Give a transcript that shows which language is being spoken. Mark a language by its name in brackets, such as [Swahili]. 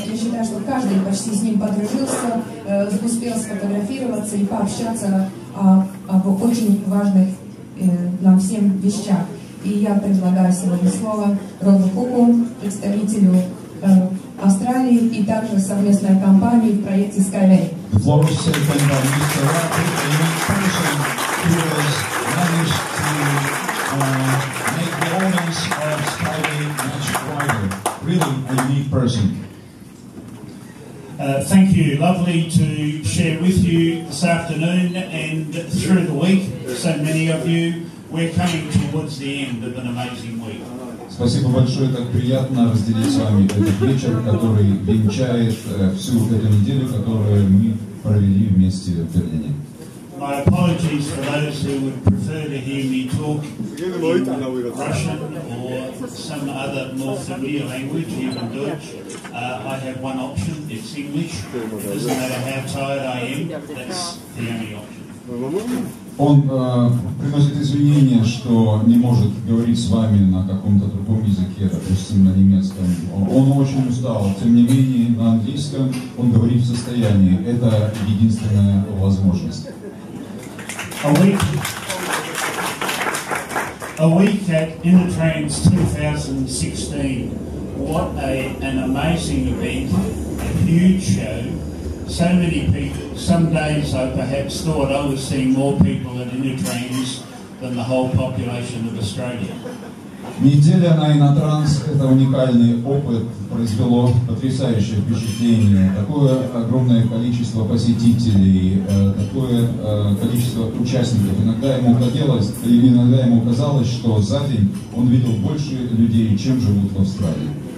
[Russian] Я считаю, что каждый почти с ним подружился, успел сфотографироваться и пообщаться об очень важных нам всем вещах. И я предлагаю сегодня слово Роду Куку, представителю Австралии и также совместной компании в проекте SkyWay. [English] The floor is taken by Mr. Rapid, a young person who has managed to make the elements of SkyWay much brighter. Really a unique person. Thank you. Lovely to share with you this afternoon and through the week. So many of you, we're coming towards the end of an amazing week. [Russian] Спасибо большое, так приятно разделить с вами этот вечер, который венчает всю эту неделю, которую мы провели вместе в Берлине. [English] My apologies for those who would prefer to hear me talk in Russian or some other more familiar language, even Deutsch. I have one option, it's English. It doesn't matter how tired I am, that's the only option. [Russian] Он приносит извинения, что не может говорить с вами на каком-то другом языке, допустим, на немецком. Он очень устал, тем не менее, на английском он говорит в состоянии. Это единственная возможность. [English] A week at Innotrans 2016. What an amazing event, a huge show. So many people, some days I perhaps thought I was seeing more people at Innotrans than the whole population of Australia. [Russian] Неделя на Innotrans – это уникальный опыт, произвело потрясающее впечатление. Такое огромное количество посетителей, такое количество участников. Иногда ему хотелось, или иногда ему казалось, что за день он видел больше людей, чем живут в Австралии.